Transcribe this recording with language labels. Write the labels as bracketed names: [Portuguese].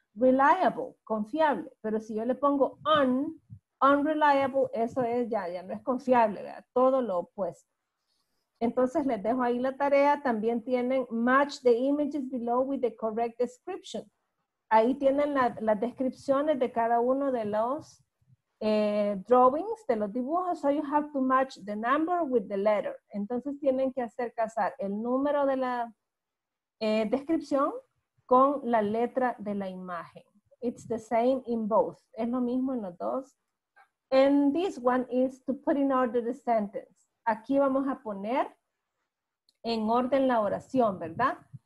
[Spanish] Reliable, confiable, pero si yo le pongo unreliable, eso es ya no es confiable, ¿verdad? Todo lo opuesto. Entonces les dejo ahí la tarea, también tienen [English] match the images below with the correct description. [Spanish] Ahí tienen las descripciones de cada uno de los drawings, de los dibujos. [English] So you have to match the number with the letter. [Spanish] Entonces tienen que hacer casar el número de la descripción con la letra de la imagen. [English] It's the same in both. [Spanish] Es lo mismo en los dos. [English] And this one is to put in order the sentence. [Spanish] Aquí vamos a poner en orden la oración, ¿verdad?